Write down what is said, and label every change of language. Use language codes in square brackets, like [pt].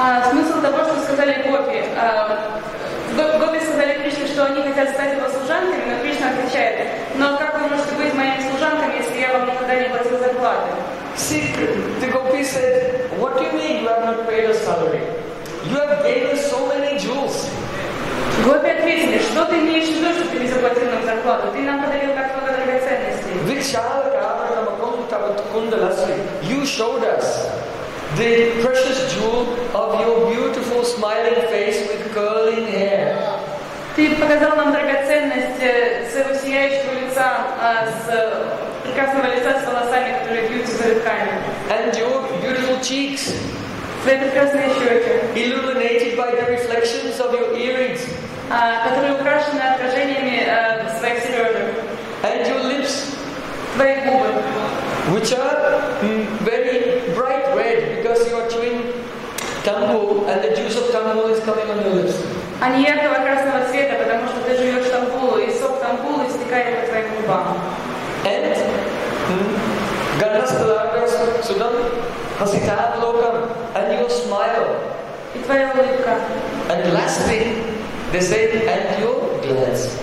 [ru] Смысл того, что сказали гопи. Гопи сказали Кришне, что они хотят стать его служанками, но Кришна отвечает, но как вы можете быть моими служанками, если я вам никогда не платил зарплаты? [en] The gopi said, what do you mean you have not paid us salary? You have gave us so many jewels. [ru] Гопи ответили, что ты имеешь в виду, что ты не заплатил нам зарплату? Ты нам подарил так много драгоценностей. [sa] Vikshalakavaramakuntavatkundalasri. [en] You showed us the precious jewel of your beautiful smiling face with curling hair. [ru] Ты показал нам драгоценность своего сияющего лица с прекрасного лица с волосами, которые бьются за руками. [en] And your beautiful cheeks. [ru] Твои прекрасные щеки. [en] Illuminated by the reflections of your earrings. [ru] Которые украшены отражениями своих серёжек. [en] And your lips. [ru] Твои губы. [en] Which are very bright red because you are chewing tambu and the juice of tambu is coming on your lips. [ru] Они яркого красного цвета, потому что ты жуешь тамбу и сок тамбу истекает по твоим губам. [en] And [sa] gandhasthalakas sudam hasitavalokam [en] and your smile. [ru] И твоя улыбка. [en] And lastly, they say and your glance.